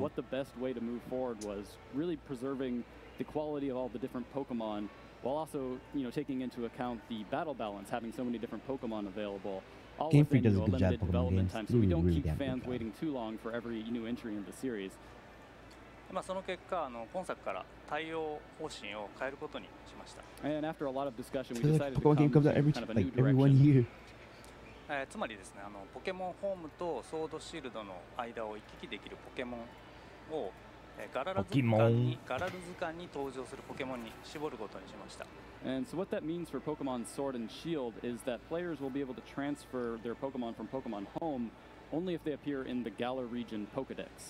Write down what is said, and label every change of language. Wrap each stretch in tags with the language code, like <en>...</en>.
<en>What the best way to move forward was really preserving the quality of all the different Pokemon while also, you know, taking into account the battle balance, having so many different Pokemon available. Game Freak does a good job of Pokemon games. So we don't keep fans waiting too long for every new entry in the series.</en> <ja>まあ、その結果今作から対応方針を変えることにしました。</ja> <en>And after a lot of discussion, we decided to come to kind of a new direction.</en> <ja>つまりですね、ポケモンホームとソードシールドの間を行き来できるポケモンをガラル図鑑に登場するポケモンに絞ることにしました。</ja> <en>And so what that means for Pokemon Sword and Shield is that players will be able to transfer their Pokemon from Pokemon Home only if they appear in the Galar region Pokedex.</en>